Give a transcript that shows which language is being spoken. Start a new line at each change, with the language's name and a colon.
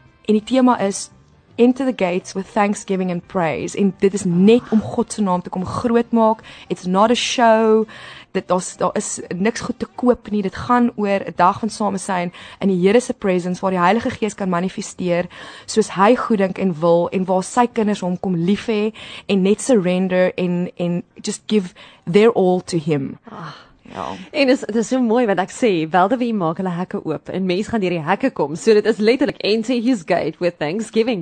Afrikaans: En die tema is
English: into the gates with thanksgiving and praise.
Afrikaans: En dit is net om God se naam te kom groot maak.
English: It's not a show.
Afrikaans: Daar is niks goed te koop nie. Dit gaan oor 'n dag van samesyn in die Here se presence waar die Heilige Gees kan manifesteer soos hy goeddink en wil en waar sy kinders hom kom lief hê en net surrender en
English: just give their all to him.
Afrikaans: Ja. En dit is so mooi wat ek sê, welde wie maak hulle hekke oop en mense gaan deur die hekke kom. So dit is letterlik
English: into his gate with thanksgiving.